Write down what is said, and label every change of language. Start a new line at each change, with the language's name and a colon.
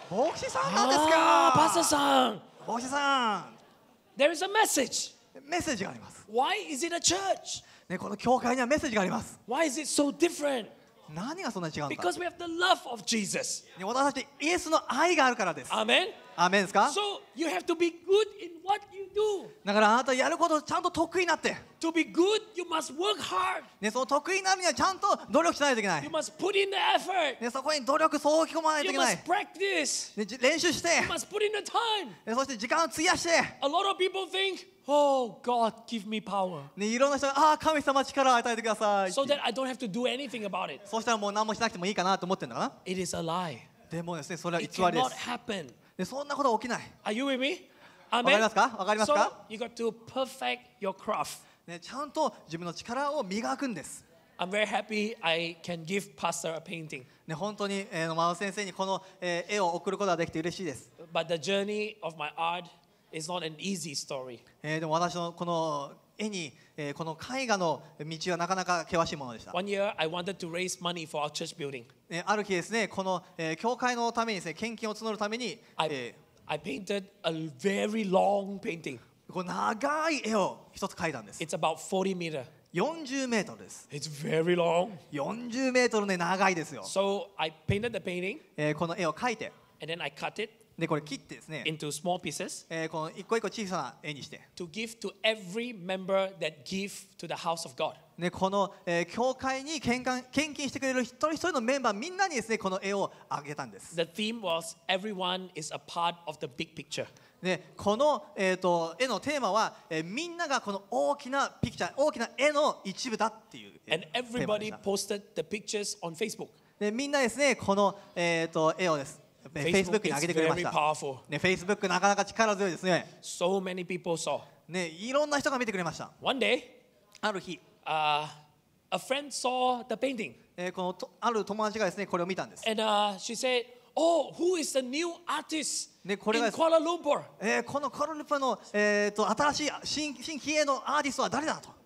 Japanese: 牧師さんなんですか。パスターさん。牧師さん。
English: There is a message.
Japanese: メッセージがあります。
English: Why is it a church?
Japanese: ね、この教会にはメッセージがあります。
English: Why is it so different?
Japanese: 何がそんなに違うんだ。
English: Because we have the love of Jesus.、
Japanese: ね、私たちイエスの愛があるからです。
English: Amen.
Japanese: Amen ですか。
English: So you have to be good in what you do.
Japanese: だからあなたやることちゃんと得意になって。
English: To be good, you must work hard.
Japanese: ね、その得意になるにはちゃんと努力しないといけない。
English: You must put in the effort.
Japanese: ね、そこに努力そう引き込まないといけない。
English: You must practice.
Japanese: ね、練習して。
English: You must put in the time.
Japanese: ね、そして時間を費やして。
English: A lot of people think, Oh God, give me power.
Japanese: ね、いろんな人が、ああ、神様力を与えてください。
English: So that I don't have to do anything about it.
Japanese: そしたらもう何もしなくてもいいかなと思ってるのかな。
English: It is a lie.
Japanese: でもですね、それは偽りです。
English: It cannot happen.
Japanese: ね、そんなことは起きない。
English: Are you with me?
Japanese: 分かりますか？分かりますか？
English: So, you got to perfect your craft.
Japanese: ね、ちゃんと自分の力を磨くんです。
English: I'm very happy I can give Pastor a painting.
Japanese: ね、本当に、マオ先生にこの、絵を送ることができて嬉しいです。
English: But the journey of my art is not an easy story.
Japanese: でも私のこの絵に、この絵画の道はなかなか険しいものでした。
English: One year I wanted to raise money for our church building.
Japanese: ね、ある日ですね、この、教会のためにですね、献金を募るために、
English: I painted a very long painting. It's about 40 meters. 40 meters. It's very long. 40 meters,
Japanese: ね、長いですよ。
English: So I painted the painting.
Japanese: この絵を描いて。
English: And then I cut it.
Japanese: で、これ切ってですね。
English: Into small pieces.
Japanese: この一個一個小さな絵にして。
English: To give to every member that give to the house of God.
Japanese: ね、この、教会に献金してくれる一人一人のメンバーみんなにですね、この絵をあげたんです。
English: The theme was everyone is a part of the big picture.
Japanese: ね、この、絵のテーマは、みんながこの大きなピクチャー、大きな絵の一部だっていう。
English: And everybody posted the pictures on Facebook.
Japanese: ね、みんなですね、この、絵をです。 Facebook に上げてくれました。
English: Facebook is very powerful.
Japanese: ね、Facebook なかなか力強いですね。
English: So many people saw.
Japanese: ね、いろんな人が見てくれました。
English: One day,
Japanese: ある日。
English: A friend saw the painting.
Japanese: このある友達がですね、これを見たんです。
English: And she said, "Oh, who is the new artist in Kuala Lumpur?"
Japanese: このコロルプの新しい新規のアーティストは誰だと。